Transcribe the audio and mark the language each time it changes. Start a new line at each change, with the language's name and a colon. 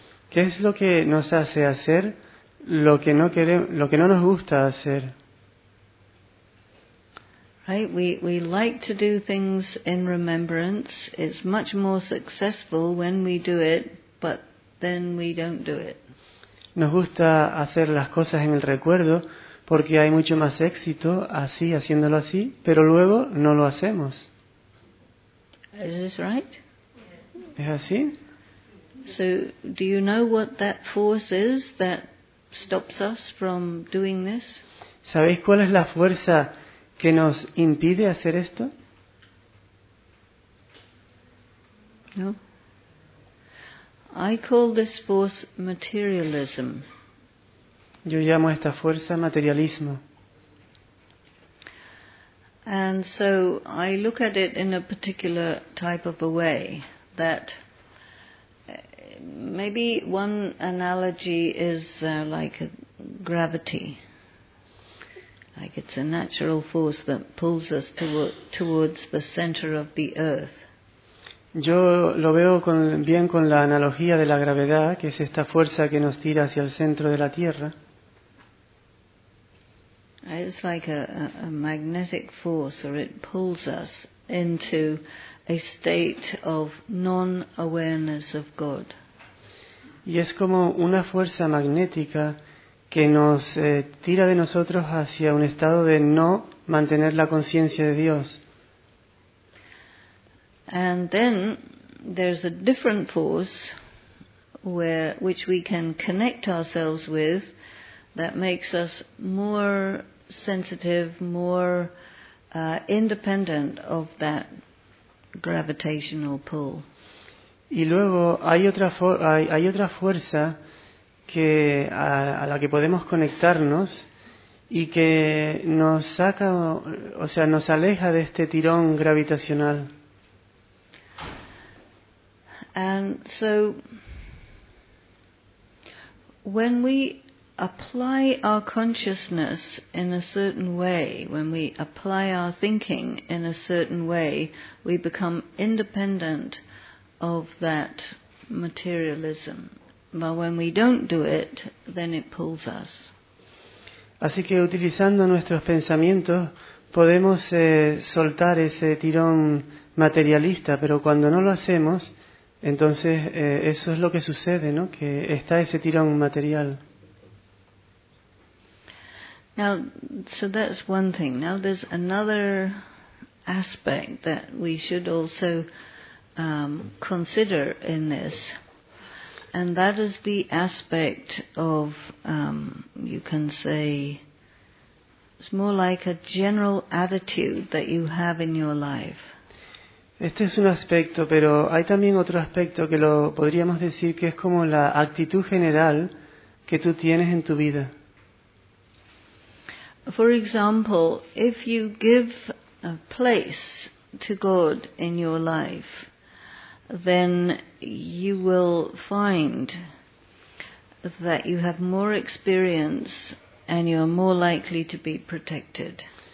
Spanish: ¿Qué es lo que nos hace hacer lo que no queremos, lo que no nos gusta hacer?
English: Right, we like to do things in remembrance. It's much more successful when we do it, but then we don't do it.
Spanish: Nos gusta hacer las cosas en el recuerdo porque hay mucho más éxito así, haciéndolo así, pero luego no lo hacemos.
English: Is this right?
Spanish: ¿Es así?
English: So, do you know what that force is that stops us from doing this?
Spanish: ¿Sabéis cuál es la fuerza que nos impide hacer esto? No.
English: I call this force materialism.
Spanish: Yo llamo a esta fuerza materialismo.
English: And so I look at it in a particular type of a way that maybe one analogy is like a gravity. Like it's a natural force that pulls us towards the center of the earth.
Spanish: Yo lo veo bien con la analogía de la gravedad, que es esta fuerza que nos tira hacia el centro de la Tierra.
English: It's like a magnetic force, or it pulls us into a state of non-awareness of God.
Spanish: Y es como una fuerza magnética que nos tira de nosotros hacia un estado de no mantener la conciencia de Dios.
English: And then there's a different force which we can connect ourselves with that makes us more sensitive, more independent of that gravitational pull.
Spanish: Y luego hay otra fuerza que a la que podemos conectarnos y que nos saca, o sea, nos aleja de este tirón gravitacional.
English: And so when we apply our consciousness in a certain way, when we apply our thinking in a certain way, we become independent of that materialism. But when we don't do it, then it pulls us.
Spanish: Así que utilizando nuestros pensamientos podemos soltar ese tirón materialista, pero cuando no lo hacemos, entonces eso es lo que sucede, ¿no? Que está ese tirón material.
English: Now, so that's one thing. Now there's another aspect that we should also consider in this. And that is the aspect of, you can say, it's more like a general attitude that you have in your life.
Spanish: Este es un aspecto, pero hay también otro aspecto que lo podríamos decir que es como la actitud general que tú tienes en tu vida.
English: For example, if you give a place to God in your life, then you will find that you have more experience and you are more likely to be protected.